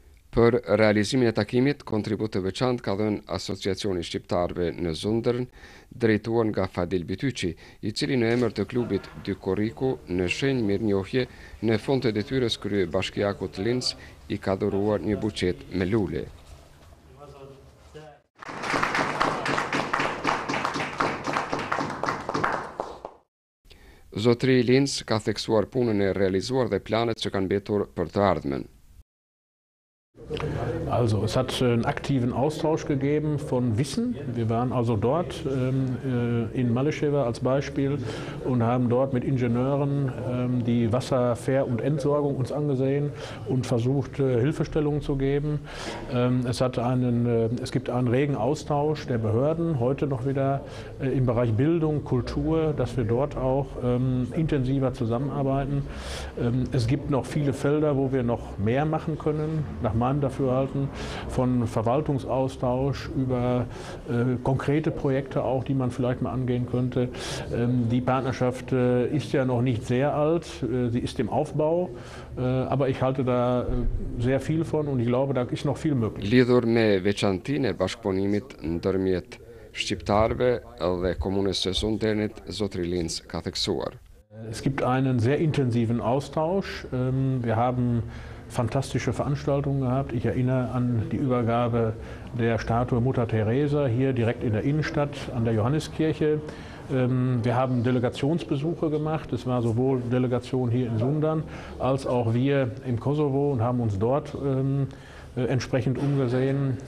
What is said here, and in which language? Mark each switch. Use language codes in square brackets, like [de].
[sq] Për realizimin e takimit, kontribut të veçantë ka dhënë Asociacioni Shqiptarve në Sundern, drejtuar nga Fadil Bityqi, i cili në emër të klubit Dy Korriku në shenjë mirënjohje në fund të detyrës krye bashkiakut Lenz i ka dhuruar një buqet me lule. Zotri Lenz ka theksuar punën e realizuar dhe planet që kanë mbetur për të ardhmen. [de] Also, es hat einen aktiven Austausch gegeben von Wissen. Wir waren also dort in Malisheva als Beispiel und haben dort mit Ingenieuren die Wasserver- und Entsorgung uns angesehen und versucht, Hilfestellungen zu geben. Es gibt einen regen Austausch der Behörden, heute noch wieder im Bereich Bildung, Kultur, dass wir dort auch intensiver zusammenarbeiten. Es gibt noch viele Felder, wo wir noch mehr machen können, nach meinem Dafürhalten, von Verwaltungsaustausch über konkrete Projekte auch, die man vielleicht mal angehen könnte. Die Partnerschaft ist ja noch nicht sehr alt, sie ist im Aufbau, aber ich halte da sehr viel von und ich glaube, da ist noch viel möglich. [sq] Lidhur me veçantinë bashkëpunimit ndërmjet shqiptarëve dhe komunës së Sundernit, zotri Lenz ka theksuar. [de] Es gibt einen sehr intensiven Austausch. Wir haben fantastische Veranstaltungen gehabt. Ich erinnere an die Übergabe der Statue Mutter Teresa hier direkt in der Innenstadt an der Johanneskirche. Wir haben Delegationsbesuche gemacht. Es war sowohl Delegation hier in Sundern als auch wir im Kosovo und haben uns dort entsprechend umgesehen.